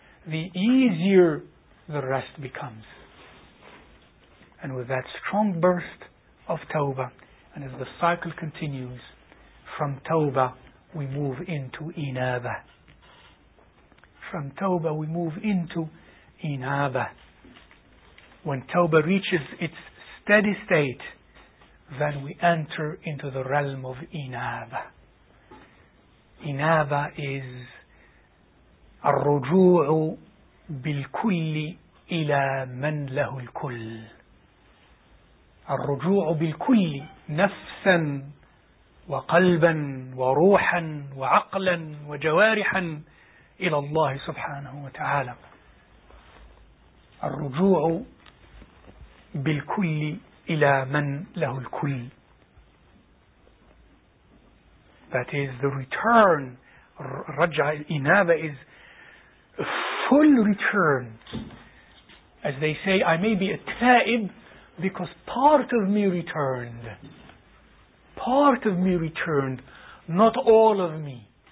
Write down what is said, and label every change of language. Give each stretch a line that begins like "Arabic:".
English: The easier the rest becomes. And with that strong burst of tawbah, and as the cycle continues, from tawbah we move into inaba. From tawbah we move into inaba. When tawbah reaches its steady state, then we enter into the realm of inaba. Inaba is
Arabic: الرجوع بالكل إلى من له الكل. الرجوع بالكل نفسا وقلبا وروحا وعقلا وجوارحا إلى الله سبحانه وتعالى. الرجوع بالكل إلى من له الكل.
English: That is the return.
Arabic: رجع الإنابة
English: is a full return. As they say, I may be a ta'ib because part of me returned. Part of me returned, not all of me.